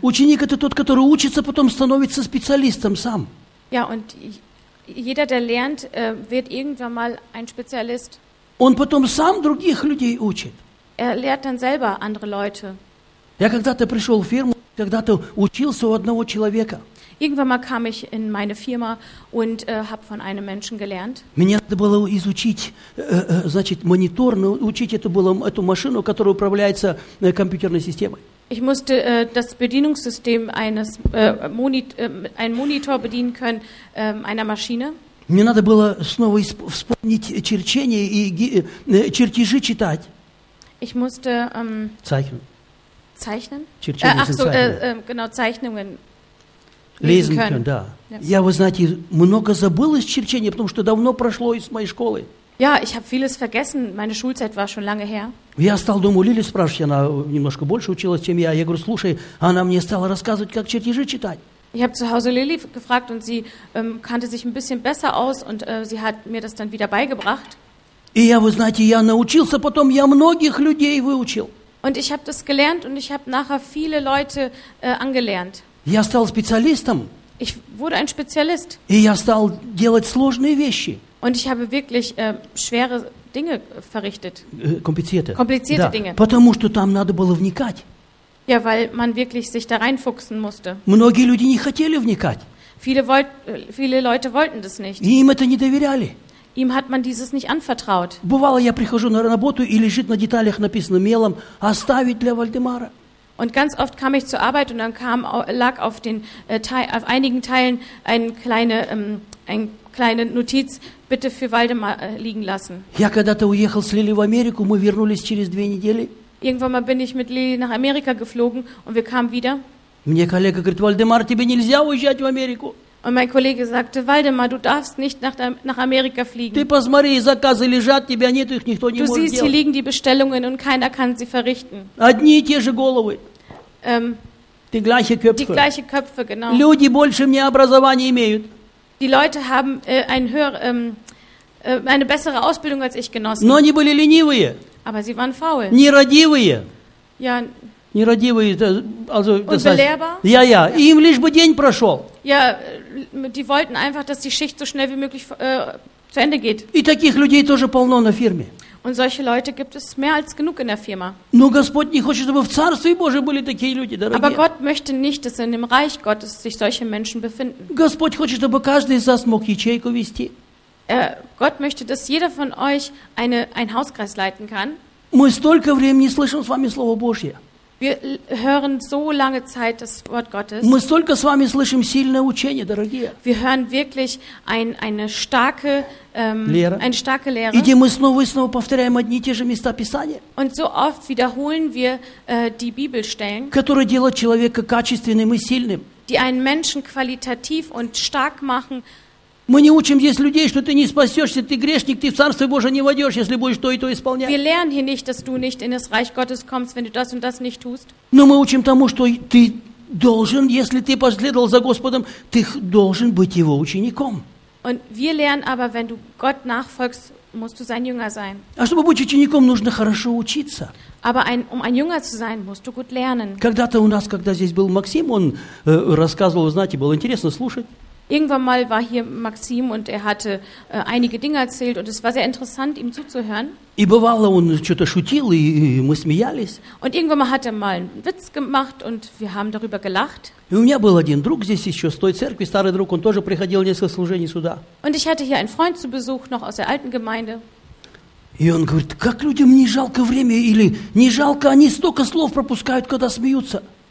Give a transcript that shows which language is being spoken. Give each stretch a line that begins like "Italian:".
Russian: Ученик – это тот, который учится, потом становится специалистом сам.
German: Ja, und jeder, der lernt, wird irgendwann mal ein Spezialist.
Russian: Он потом сам других людей учит.
German: Er lehrt dann selber andere Leute.
Russian: Я когда-то пришел в фирму, когда-то учился у одного человека.
German: Irgendwann mal kam ich in meine Firma und habe von einem Menschen gelernt.
Russian: Мне надо было изучить, значит, монитор, научить эту, было, эту машину, которая управляется компьютерной системой.
German: Ich musste das Bedienungssystem eines einen Monitor bedienen können einer Maschine.
Russian: Мне надо было снова вспомнить черчение и чертежи читать.
German: Ich musste Zeichnen. Zeichnen?
Russian: Черчение.
German: Ach so, genau, Zeichnungen. Lesen können.
Russian: Да.
German: Ja.
Russian: Я, вы знаете, много забыл из черчения, потому что давно прошло из моей школы.
German: Ja, ich habe vieles vergessen. Meine Schulzeit war schon lange her.
Russian: Я стал думать, Лили спрашивает, она немножко больше училась, чем я. Я говорю, слушай, она мне стала рассказывать, как чертежи читать.
German: Ich habe zu Hause Лили gefragt und sie kannte sich ein bisschen besser aus und sie hat mir das dann wieder beigebracht.
Russian: И я, вы знаете, я научился, потом я многих людей выучил.
German: Und ich habe das gelernt und ich habe nachher viele Leute angelernt.
Russian: Я стал специалистом.
German: Ich wurde ein Spezialist.
Russian: И я стал делать сложные вещи.
German: Und ich habe wirklich schwere Dinge verrichtet. Komplizierte
Russian: да.
German: Dinge.
Russian: Потому что там надо было вникать.
German: Ja, weil man wirklich sich da reinfuchsen musste.
Russian: Многие люди не хотели вникать.
German: Viele Leute wollten das nicht.
Russian: И им это не доверяли.
German: Ihm hat man dieses nicht anvertraut.
Russian: Бывало, я прихожу на работу и лежит на деталях написано мелом оставить для Вальдемара.
German: Und ganz oft kam ich zur Arbeit und dann lag auf den auf einigen Teilen eine kleine Notiz bitte für Waldemar liegen lassen.
Russian: Я когда-то уехал с Лили в Америку, мы вернулись через две недели.
German: Irgendwann mal bin ich mit Lili nach Amerika geflogen und wir kamen wieder.
Russian: Мне коллега говорит, Вальдемар, тебе нельзя уезжать в Америку.
German: Und mein Kollege sagte, Waldemar, du darfst nicht nach Amerika fliegen.
Russian: Ты посмотри, заказы лежат, тебя нет, их никто не может делать.
German: Du siehst, hier liegen die Bestellungen und keiner kann sie verrichten.
Russian: Одни и те же головы.
German: Die gleiche Köpfe. Die gleiche Köpfe, genau.
Russian: Люди больше мне образования имеют.
German: Die Leute haben eine bessere Ausbildung als ich genossen.
Russian: Но они были ленивые.
German: Aber sie waren faul.
Russian: Нерадивые.
German: Ja.
Russian: Нерадивые,
German: also unbelehrbar. Ja.
Russian: Им лишь бы день прошел.
German: Ja, die wollten einfach, dass die Schicht so schnell wie möglich zu Ende geht.
Russian: И таких людей тоже полно на фирме.
German: Und solche Leute gibt es mehr als genug in der Firma.
Russian: Но Господь не хочет, чтобы в Царстве Божьем были такие люди, дорогие.
German: Aber Gott möchte nicht, dass in dem Reich Gottes sich solche Menschen befinden.
Russian: Господь хочет, чтобы каждый из вас мог ячейку вести.
German: Gott möchte, dass jeder von euch einen Hauskreis leiten kann.
Russian: Мы столько времени слышим с вами Слово Божье.
German: Wir hören so lange Zeit das Wort Gottes.
Russian: Мы столько с вами слышим сильное учение, дорогие.
German: Wir hören wirklich eine starke Lehre.
Russian: И где мы снова и снова повторяем одни и те же места Писания.
German: Und so oft wiederholen wir die Bibelstellen.
Russian: Которые делают человека качественным и сильным.
German: Die einen Menschen qualitativ und stark machen.
Russian: Мы не учим здесь людей, что ты не спасешься, ты грешник, ты в Царство Божие не войдешь, если будешь то и то исполнять.
German: Wir lernen hier nicht, dass du nicht in das Reich Gottes kommst, wenn du das und das nicht tust.
Russian: Но мы учим тому, что ты должен, если ты последовал за Господом, ты должен быть его учеником.
German: Und wir lernen aber, wenn du Gott nachfolgst, musst du sein Jünger sein.
Russian: А чтобы быть учеником, нужно хорошо учиться.
German: Aber ein Jünger zu sein, musst du gut lernen.
Russian: Когда-то у нас, когда здесь был Максим, он рассказывал, знаете, было интересно слушать.
German: Irgendwann mal war hier Maxim und er hatte einige Dinge erzählt und es war sehr interessant, ihm zuzuhören.
Russian: И бывало, он что-то шутил, и мы смеялись.
German: Und irgendwann mal hat er mal einen Witz gemacht und wir haben darüber gelacht.
Russian: И у меня был один друг здесь еще с той церкви, старый друг, он тоже приходил несколько служений сюда.
German: Und ich hatte hier einen Freund zu Besuch, noch aus der alten Gemeinde.
Russian: И он говорит, как людям не жалко время, или не жалко, они столько слов пропускают, когда смеются.